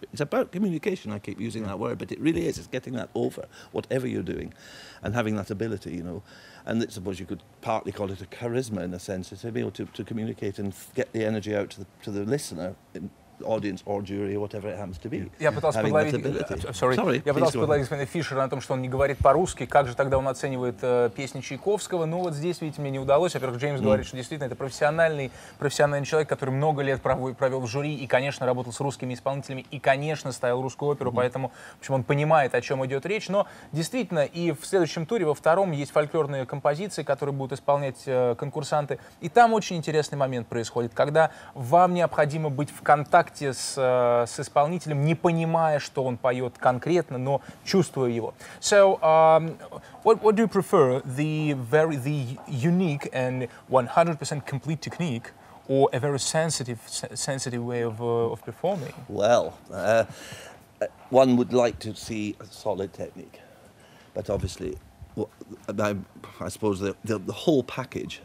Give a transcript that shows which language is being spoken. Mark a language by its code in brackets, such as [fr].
[en] It's about communication, I keep using yeah. that word, but it really is. It's getting that over, whatever you're doing, and having that ability, you know. And I suppose you could partly call it a charisma in a sense, to be able to communicate and get the energy out to the listener. Audience or jury, or whatever it happens to be. [ru] Я пытался подловить. [en] Sorry. [ru] Я пытался подловить господина Фишера на том, что он не говорит по-русски. Как же тогда он оценивает песни Чайковского? Ну вот здесь, видите, мне не удалось. Во-первых, Джеймс говорит, что действительно это профессиональный человек, который много лет провел в жюри и, конечно, работал с русскими исполнителями и, конечно, ставил русскую оперу, поэтому, в общем, он понимает, о чем идет речь. Но действительно, и в следующем туре, во втором, есть фольклорные композиции, которые будут исполнять конкурсанты, и там очень интересный момент происходит, когда вам необходимо быть в контакте. С исполнителем, не понимая, что он поет конкретно, но чувствуя его. [en] So, what do you prefer, the unique and 100% complete technique, or a very sensitive way of performing? Well, one would like to see a solid technique, but obviously, I suppose the whole package.